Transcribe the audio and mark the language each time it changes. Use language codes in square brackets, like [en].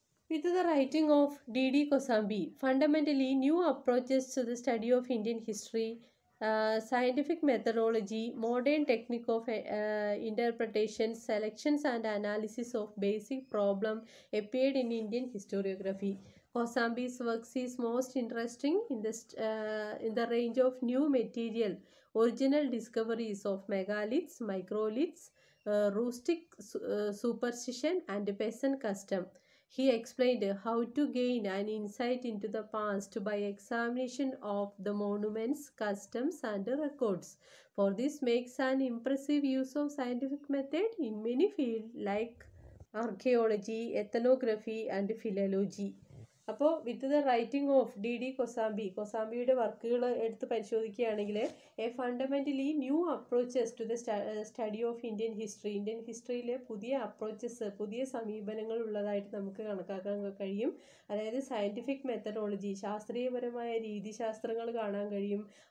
[en] With the writing of D.D.Kosambi fundamentally new approaches to the study of Indian history, scientific methodology, modern technique of interpretation, selections and analysis of basic problem appeared in Indian historiography. Kosambi's works is most interesting in the range of new material, original discoveries of megaliths, microliths, rustic superstition and peasant custom. He explained how to gain an insight into the past by examination of the monuments, customs and records. For this makes an impressive use of scientific method in many fields like archaeology, ethnography and philology. [ml] അപ്പോൾ [en] with the writing of [ml] D.D.Kosambi കൊസാമ്പിയുടെ വർക്കുകൾ എടുത്ത് പരിശോധിക്കുകയാണെങ്കിൽ, [en] a fundamentally new approaches to the study of Indian history, [ml] Indian ഹിസ്റ്ററിയിലെ പുതിയ approaches പുതിയ സമീപനങ്ങൾ ഉള്ളതായിട്ട് നമുക്ക് കണക്കാക്കാൻ കഴിയും. അതായത് സയൻറ്റിഫിക് മെത്തഡോളജി, ശാസ്ത്രീയപരമായ രീതിശാസ്ത്രങ്ങൾ കാണാൻ കഴിയും.